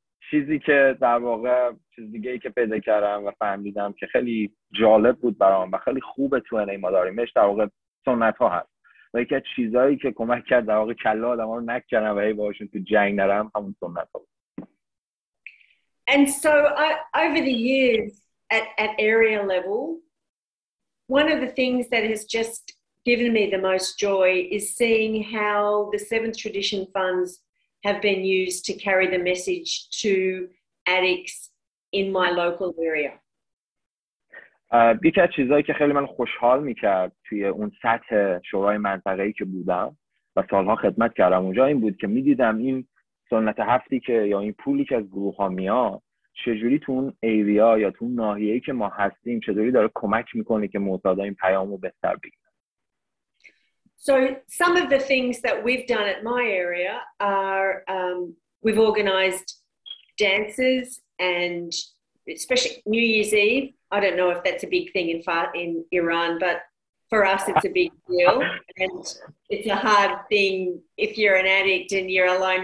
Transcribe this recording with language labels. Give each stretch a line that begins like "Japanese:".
Persian: چیزی که در واقع چیز دیگه ای که پیدا کردم و فهمیدم که خیلی جالب بود برام و خیلی خوبه تو انه ما داریمش در واقع سنت ها هست و یکی چیزایی که کمک کرد در واقع کله آدم ها رو نکنم و هی باشون تو جنگ نرم همون سنت ها بود.
English: And so over the years at area level, one of the things that has just given me the most joy is seeing how the Seventh Tradition funds have been used to carry the message to addicts in my local area.
Persian: یکی از چیزایی که خیلی من خوشحال میکرد توی اون سطح شورای منطقه‌ای که بودم و سالها خدمت کردم اونجا این بود که میدیدم این سنت هفتی که یا این پولی که از گروه ها میاد چجوری تو اون ایریا یا تو اون ناحیه‌ای که ما هستیم چجوری داره کمک میکنه که معتادا این پیامو بهتر بگیرن.
English: So some of the things that we've done at my area are we've organized dances and especially New Year's Eve. I don't know if that's a big thing in Iran, but for us it's a big deal and it's a hard thing if you're an addict and you're alone.